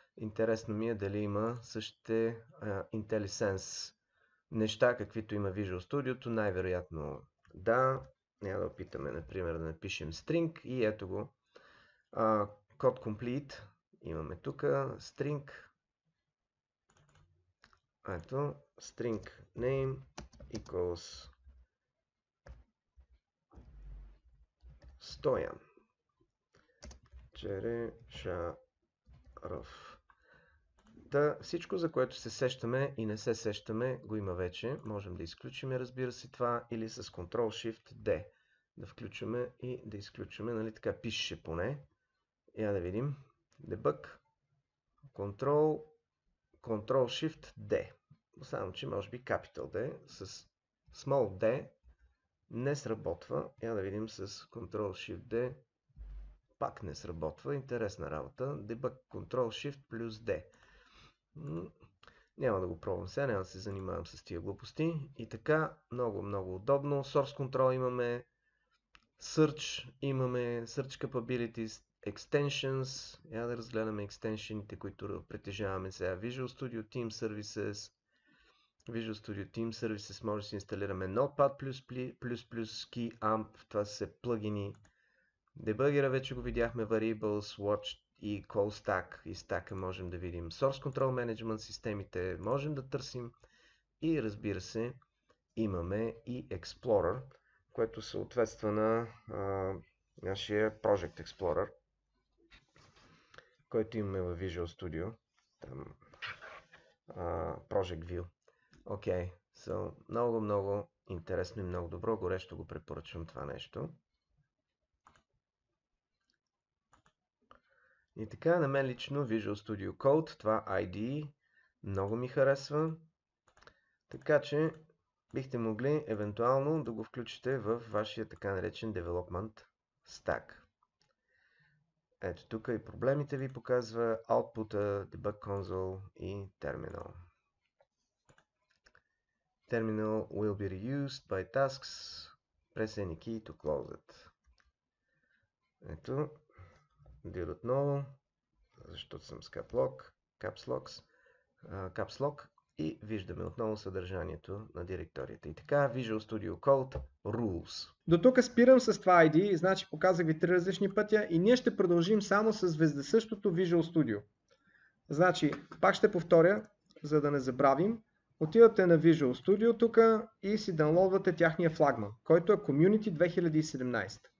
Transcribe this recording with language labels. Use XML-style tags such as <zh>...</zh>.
<bg>Интересно ми е дали има същите IntelliSense неща, каквито има Visual Studio-то. Най-вероятно да. Няма да опитаме, например, да напишем string. И ето го.</bg> <en>Code complete.</en> <bg>Имаме тук string. Ето.</bg> <en>string name equals Stoyan Черешаров.</en> <bg>Да, всичко, за което се сещаме и не се сещаме, го има вече. Можем да изключим, разбира се, това, или с Ctrl-Shift-D да включваме и да изключваме. Нали така пише поне. Я да видим. Debug.</bg> <en>Ctrl-Shift-D.</en> <bg>Само, че може би Capital D с Small D не сработва. Я да видим с Ctrl-Shift-D. Пак не сработва. Интересна работа.</bg> <en>Debug Ctrl-Shift плюс D.</en> <bg>Няма да го пробвам сега, няма да се занимавам с тия глупости. И така, много, много удобно.</bg> <en>Source Control имаме, Search имаме, Search Capabilities, Extensions.</en> <bg>Я да разгледаме екстеншените, които притежаваме сега. Visual Studio Team Services. Visual Studio Team Services може да си инсталираме Notepad++, KeyAmp. Това са се плъгини. Дебъгера вече го видяхме, Variables, Watch и Call Stack. И стака можем да видим. Source Control Management системите можем да търсим. И разбира се, имаме и Explorer, което съответства на нашия Project Explorer, който имаме във Visual Studio. Там, Project View. Окей, okay. Много, много интересно и много добро. Горещо го препоръчвам това нещо. И така, на мен лично Visual Studio Code, това IDE, много ми харесва. Така че бихте могли евентуално да го включите в вашия така наречен Development Stack. Ето тук и проблемите ви показва, output-а, Debug Console и Terminal.</bg> <en>Terminal will be reused by tasks. Press any key to close it.</en> <bg>Ето, дир отново. Защото съм с Caps Lock и виждаме отново съдържанието на директорията. И така, Visual Studio Code Rules. До тук спирам с това ID, значи показах ви три различни пътя и ние ще продължим само с вездесъщото Visual Studio. Значи, пак ще повторя, за да не забравим. Отивате на Visual Studio тук и си даунлоудвате тяхния флагман, който е Community 2017.</bg>